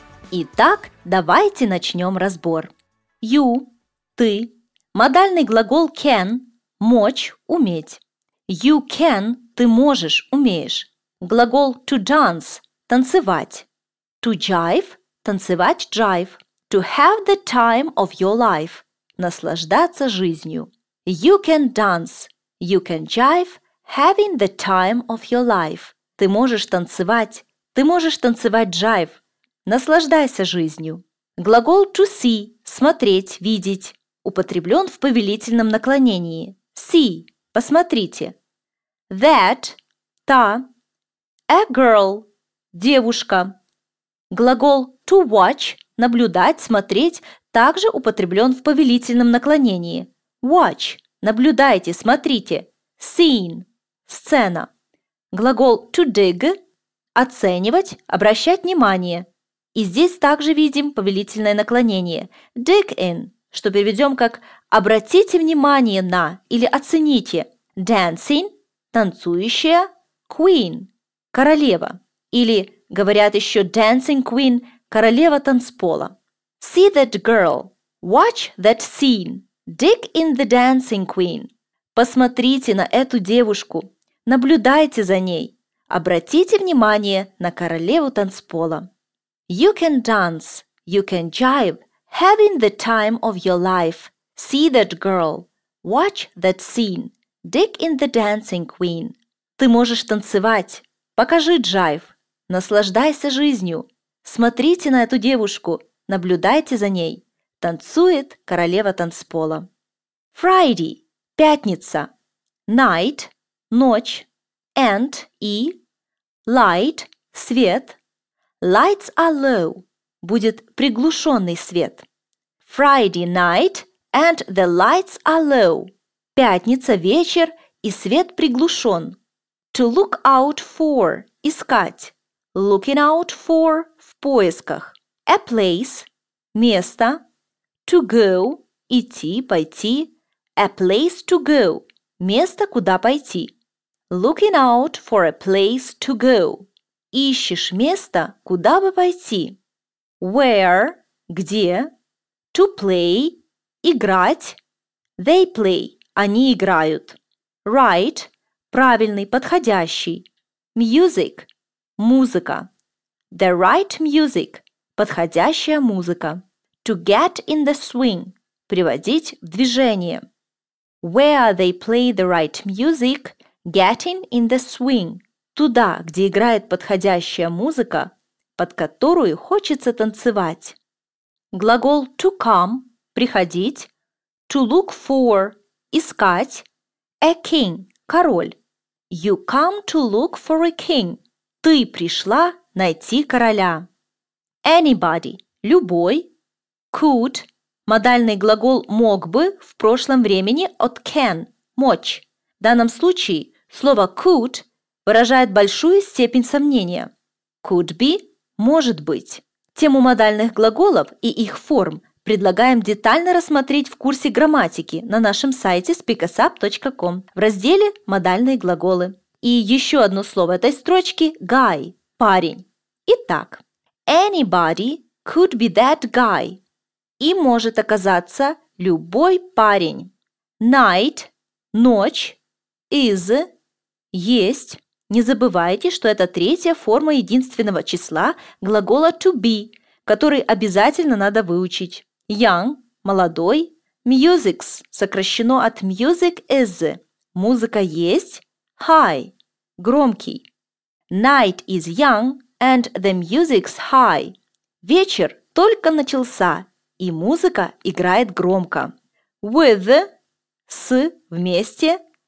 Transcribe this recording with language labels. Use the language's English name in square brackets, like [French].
[Russian] Итак, давайте начнем разбор. [English] You – ты. [Russian] Модальный глагол can – мочь, уметь. [English] You can [Russian] – ты можешь, умеешь. Глагол [English] to dance [Russian] – танцевать. [English] To jive – танцевать jive. To have the time of your life – [Russian] наслаждаться жизнью. [English] You can dance, you can jive, having the time of your life. [Russian] Ты можешь танцевать, джайв. Наслаждайся жизнью. Глагол to see – смотреть, видеть. Употреблен в повелительном наклонении. See – посмотрите. [English] That – та. A girl – девушка. [Russian] Глагол to watch – наблюдать, смотреть, также употреблен в повелительном наклонении. Watch – наблюдайте, смотрите. Scene – сцена. Глагол to dig – оценивать, обращать внимание. И здесь также видим повелительное наклонение. [English] Dig in, [Russian] что переведем как «обратите внимание на» или «оцените». Dancing – танцующая. Queen – королева. Или, говорят еще, dancing queen – королева танцпола. [English] See that girl. Watch that scene. Dig in the dancing queen. [Russian] Посмотрите на эту девушку. Наблюдайте за ней. Обратите внимание на королеву танцпола. [English] You can dance, you can jive, having the time of your life. See that girl, watch that scene, dig in the dancing queen. [Russian] Ты можешь танцевать, покажи джайв, наслаждайся жизнью. Смотрите на эту девушку, наблюдайте за ней. Танцует королева танцпола. Friday, пятница. Night, ночь. And, и. [English] Light, свет. Lights are low. [Russian] Будет приглушенный свет. [English] Friday night and the lights are low. [Russian] Пятница вечер и свет приглушен. [English] To look out for. Искать. Looking out for. [Russian] В поисках. [English] A place. Место. To go. [Russian] Идти, пойти. [English] A place to go. [Russian] Место, куда пойти. [English] Looking out for a place to go. [Russian] Ищешь место, куда бы пойти. Where – где. To play – играть. They play – они играют. Right – правильный, подходящий. Music – музыка. [English] The right music – подходящая музыка. To get in the swing – [Russian] приводить в движение. [English] Where they play the right music – getting in the swing. [Russian] Туда, где играет подходящая музыка, под которую хочется танцевать. Глагол to come – приходить. [English] To look for – искать. A king – король. You come to look for a king. [Russian] Ты пришла найти короля. Anybody – любой. Could – модальный глагол «мог бы» в прошлом времени от can – мочь. В данном случае слово could – выражает большую степень сомнения. Could be – может быть. Тему модальных глаголов и их форм предлагаем детально рассмотреть в курсе грамматики на нашем сайте speakusup.com в разделе «Модальные глаголы». И еще одно слово этой строчки – guy – парень. [English] Итак, anybody could be that guy. [Russian] И может оказаться любой парень. Night – ночь. Is – есть. Не забывайте, что это третья форма единственного числа глагола to be, который обязательно надо выучить. Young – молодой. [English] Musics – сокращено от music is. [Russian] Музыка есть. High – громкий. [English] Night is young and the music's high. [Russian] Вечер только начался, и музыка играет громко. With – с – вместе.